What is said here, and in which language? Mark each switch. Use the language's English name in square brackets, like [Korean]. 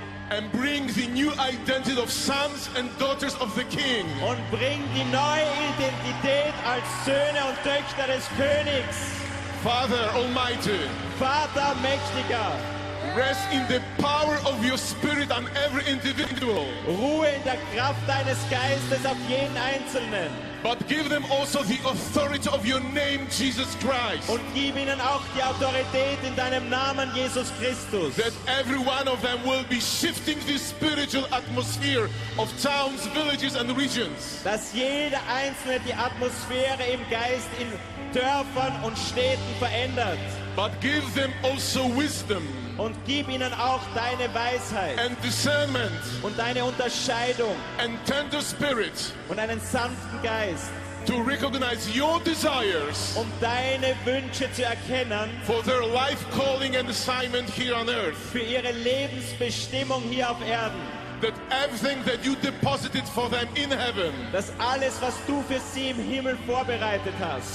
[English] And bring the new identity of sons and daughters of the King. [German] Und bring die neue Identität als Söhne und Töchter des Königs. [English] Father Almighty. [German] Vater Mächtiger. [English] Rest in the power of your spirit on every individual. [German] Ruhe in der Kraft deines Geistes auf jeden Einzelnen. [English] But give them also the authority of your name, Jesus Christ. [German] Und gib ihnen auch die Autorität in deinem Namen, Jesus Christus. [English] That every one of them will be shifting the spiritual atmosphere of towns, villages and regions. [German] Dass jeder Einzelne die Atmosphäre im Geist in Dörfern und Städten verändert. [English] But give them also wisdom. [German] Und gib ihnen auch deine Weisheit [English] and discernment [German] und deine Unterscheidung [English] and tender spirit [German] und einen sanften Geist [English] to recognize your desires [German] um deine Wünsche zu erkennen [English] for their life calling and assignment here on earth [German] für ihre Lebensbestimmung hier auf Erden [English] that everything that you deposited for them in heaven [German] dass alles was du für sie im Himmel vorbereitet hast